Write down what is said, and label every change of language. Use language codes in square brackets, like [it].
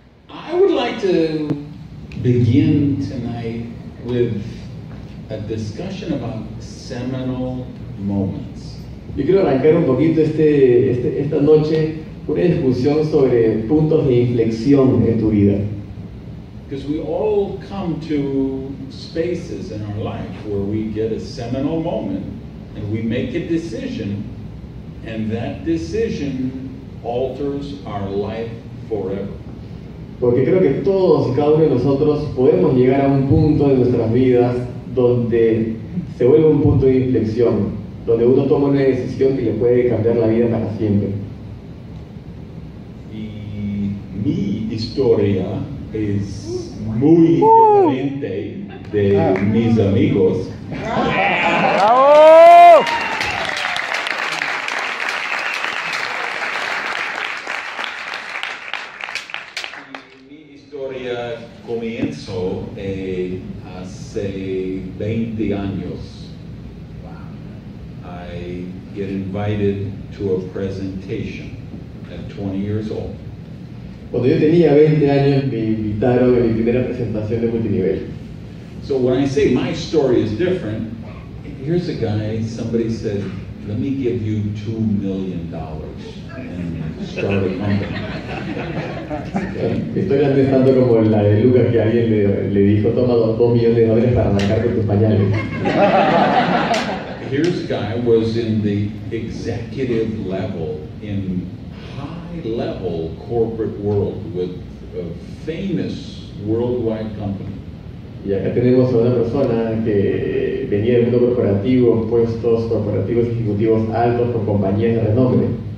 [en] I would like to begin tonight with a discussion about seminal moments. [es] Yo quiero arrancar un poquito esta noche una discusión sobre puntos de inflexión en tu vida. [en] Because we all come to spaces in our life where we get a seminal moment and we make a decision, and that decision alters our life forever. [es] Porque creo que todos y cada uno de nosotros podemos llegar a un punto de nuestras vidas donde se vuelve un punto de inflexión, donde uno toma una decisión que le puede cambiar la vida para siempre. Y mi historia es muy diferente de mis amigos. ¡Bravo! Mi historia comenzó hace 20 años. [en] I get invited to a presentation at 20 years old. [es] Cuando yo tenía 20 años, me invitaron a mi primera presentación de multinivel. [en] So when I say my story is different, here's a guy, somebody said, let me give you $2 million and start a company. [es] Mi historia no es tanto como la de Lucas, que alguien le dijo, toma $2 millones para arrancar con tus pañales. [en] Here's a guy was in the executive level in level corporate world with a famous worldwide company. [es] Y acá tenemos a una persona que venía del mundo corporativo, puestos corporativos ejecutivos altos con compañías de renombre.